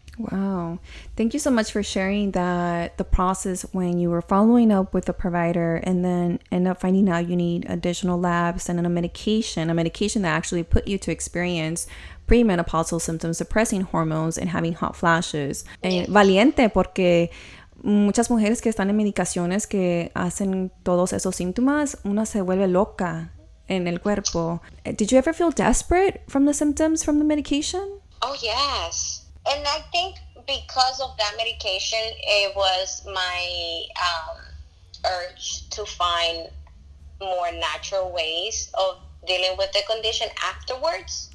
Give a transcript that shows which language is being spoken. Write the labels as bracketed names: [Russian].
[English] Wow. Thank you so much for sharing that, the process when you were following up with the provider and then end up finding out you need additional labs and then a medication that actually put you to experience premenopausal symptoms, suppressing hormones and having hot flashes. [Spanish] Valiente, porque muchas mujeres que están en medicaciones que hacen todos esos síntomas, una se vuelve loca en el cuerpo. [English] Did you ever feel desperate from the symptoms from the medication? Oh, yes. And I think because of that medication, it was my urge to find more natural ways of dealing with the condition afterwards.